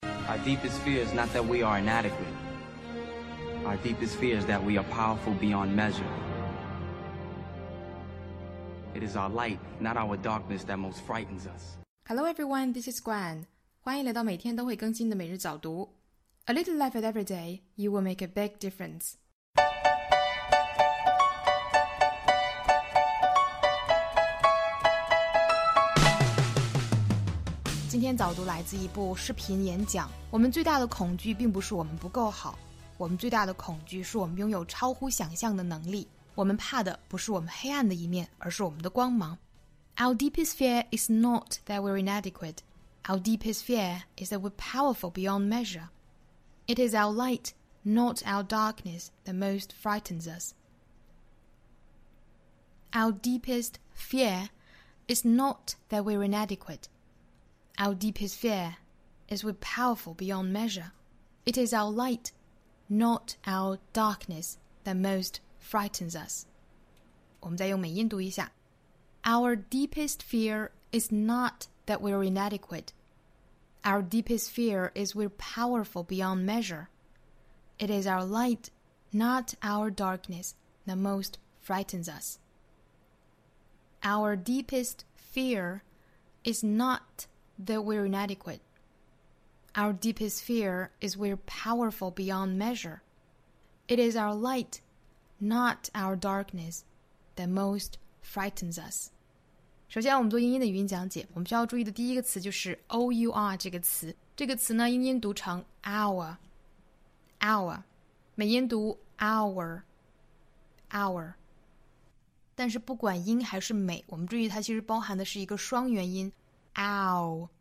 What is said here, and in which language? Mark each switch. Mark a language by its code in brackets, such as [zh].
[en] Our deepest fear is not that we are inadequate. Our deepest fear is that we are powerful beyond measure. It is our light, not our darkness, that most frightens us. Hello everyone, this is Gwen. [zh] 欢迎来到每天都会更新的每日早读。 [en] A little life at every day, you will make a big difference. [zh] 今天早读来自一部视频演讲。我们最大的恐惧并不是我们不够好，我们最大的恐惧是我们拥有超乎想象的能力。我们怕的不是我们黑暗的一面，而是我们的光芒。 [en] Our deepest fear is not that we're inadequate. Our deepest fear is that we're powerful beyond measure. It is our light, not our darkness, that most frightens us. Our deepest fear is not that we're inadequate. Our deepest fear is we're powerful beyond measure. It is our light, not our darkness, that most frightens us. [zh] 我们再用美音读一下。 [en] Our deepest fear is not that we're inadequate. Our deepest fear is we're powerful beyond measure. It is our light, not our darkness, that most frightens us. Our deepest fear is notthat we're inadequate. Our deepest fear is we're powerful beyond measure. It is our light, not our darkness, that most frightens us. [zh] 首先我们做英音的语音讲解，我们需要注意的第一个词就是 our 这个词。这个词呢英音读成 our, our, 美音读 our, our. 但是不管英还是美，我们注意它其实包含的是一个双元音 ow。